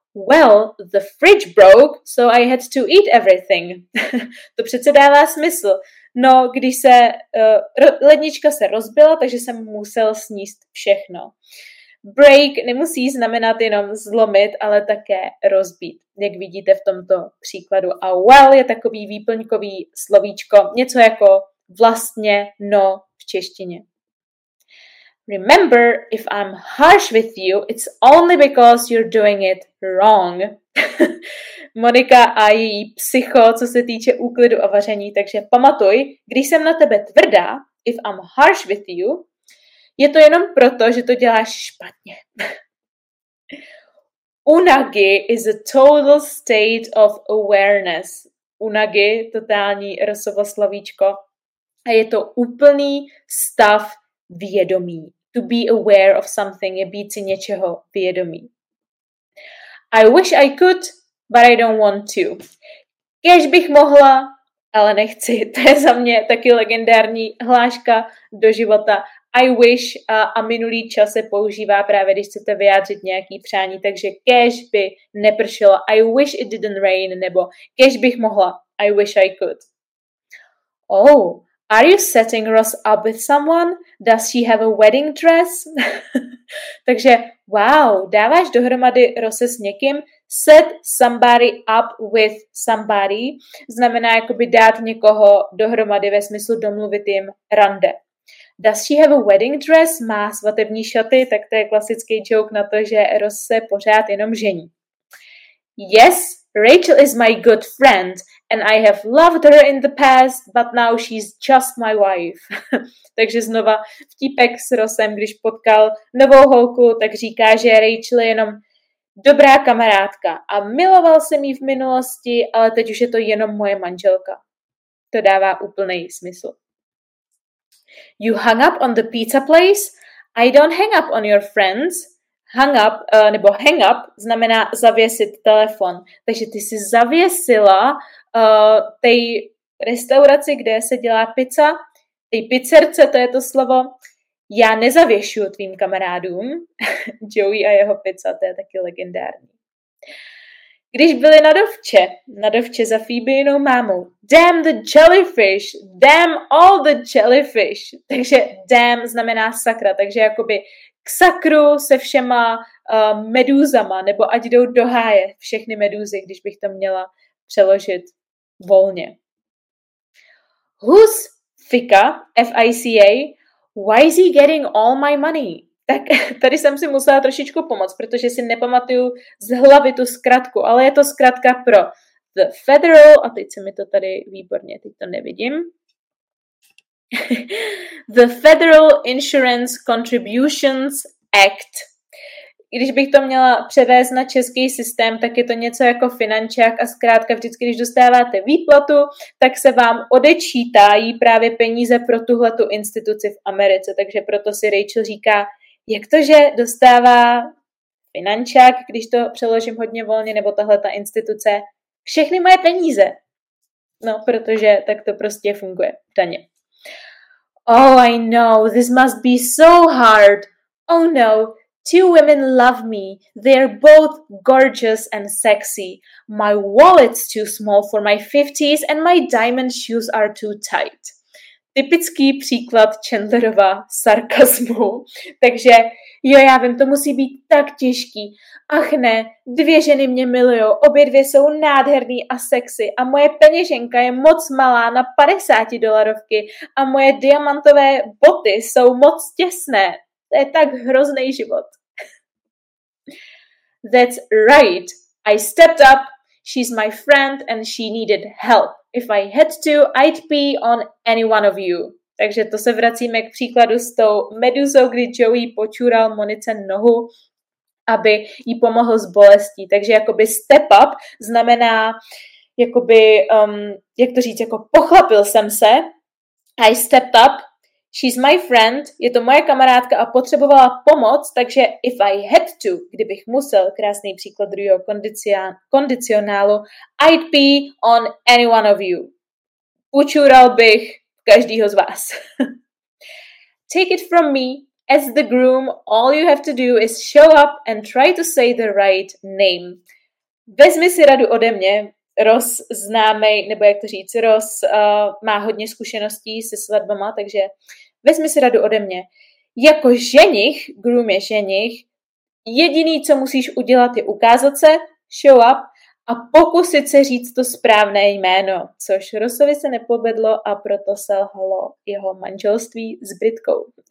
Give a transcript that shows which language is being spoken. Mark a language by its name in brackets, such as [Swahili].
[English] Well, the fridge broke, so I had to eat everything. [Czech] To přece dává smysl. No, když se lednička se rozbila, takže jsem musel sníst všechno. Break nemusí znamenat jenom zlomit, ale také rozbít, jak vidíte v tomto příkladu. A well je takový výplňkový slovíčko, něco jako vlastně no v češtině. [English] Remember, if I'm harsh with you, it's only because you're doing it wrong. [Czech] Monika a její psycho, co se týče úklidu a vaření, takže pamatuj, když jsem na tebe tvrdá, [English] if I'm harsh with you, [Czech] je to jenom proto, že to děláš špatně. [English] Unagi is a total state of awareness. [Czech] Unagi, totální rosovo slovíčko. A je to úplný stav vědomí. [English] To be aware of something [Czech] je být si něčeho vědomí. [English] I wish I could, but I don't want to. [Czech] Kéž bych mohla, ale nechci. To je za mě taky legendární hláška do života. I wish a minulý čas se používá právě, když chcete vyjádřit nějaký přání, takže kéž by nepršelo. [English] I wish it didn't rain, [Czech] nebo kéž bych mohla. [English] I wish I could. Oh, are you setting Ross up with someone? Does she have a wedding dress? [Czech] Takže, wow, dáváš dohromady Rose s někým? [English] Set somebody up with somebody [Czech] znamená jakoby dát někoho dohromady ve smyslu domluvit jim rande. [English] Does she have a wedding dress? [Czech] Má svatební šaty? Tak to je klasický joke na to, že Ross se pořád jenom žení. [English] Yes, Rachel is my good friend and I have loved her in the past, but now she's just my wife. [Czech] Takže znova vtípek s Rossem, když potkal novou holku, tak říká, že Rachel je jenom dobrá kamarádka a miloval jsem jí v minulosti, ale teď už je to jenom moje manželka. To dává úplný smysl. [English] You hung up on the pizza place? I don't hang up on your friends. [Czech] Hang up, nebo hang up, znamená zavěsit telefon. Takže ty jsi zavěsila tej restauraci, kde se dělá pizza. Tej pizzerce, to je to slovo. Já nezavěšuju tvým kamarádům. Joey a jeho pizza, to je taky legendární. Když byli na dovče za Phoebeinou mámou. [English] Damn the jellyfish, damn all the jellyfish. [Czech] Takže damn znamená sakra, takže jakoby k sakru se všema medúzama, nebo ať jdou do háje všechny medúzy, když bych to měla přeložit volně. [English] Who's Fika, F-I-C-A? Why is he getting all my money? [Czech] Tak tady jsem si musela trošičku pomoct, protože si nepamatuju z hlavy tu zkratku, ale je to zkratka pro The Federal, a teď se mi to tady výborně, teď to nevidím. [English] The Federal Insurance Contributions Act. [Czech] Když bych to měla převést na český systém, tak je to něco jako finančák a zkrátka vždycky, když dostáváte výplatu, tak se vám odečítají právě peníze pro tuhletu instituci v Americe, takže proto si Rachel říká, jak to, že dostává finančák, když to přeložím hodně volně, nebo tahle ta instituce, všechny moje peníze? No, protože tak to prostě funguje v daně. [English] Oh, I know, this must be so hard. Oh no, Two women love me. They're both gorgeous and sexy. My wallet's too small for my 50s and my diamond shoes are too tight. [Czech] Typický příklad Chandlerova sarkazmu. Takže jo, já vím, to musí být tak těžký. Ach ne, dvě ženy mě milujou, obě dvě jsou nádherný a sexy a moje peněženka je moc malá na 50 dolarovky a moje diamantové boty jsou moc těsné. To je tak hrozný život. [English] That's right. I stepped up. She's my friend and she needed help. If I had to, I'd pee on any one of you. [Czech] Takže to se vracíme k příkladu s tou meduzou, kdy Joey počural Monice nohu, aby jí pomohl s bolestí. Takže jakoby step up znamená, jakoby, jak to říct, jako pochlapil jsem se. [English] I stepped up. She's my friend, [Czech] je to moje kamarádka a potřebovala pomoc, takže [English] if I had to, [Czech] kdybych musel, krásný příklad druhého kondicionálu, [English] I'd be on any one of you. [Czech] Učural bych každýho z vás. [English] Take it from me, as the groom, all you have to do is show up and try to say the right name. [Czech] Vezmi si radu ode mě. Roz známej, nebo jak to říct, Roz má hodně zkušeností se svatbama, takže vezmi si radu ode mě. Jako ženich, groom je ženich, jediný, co musíš udělat, je ukázat se, show up, a pokusit se říct to správné jméno, což Rozovi se nepovedlo a proto selhalo jeho manželství s Britkou.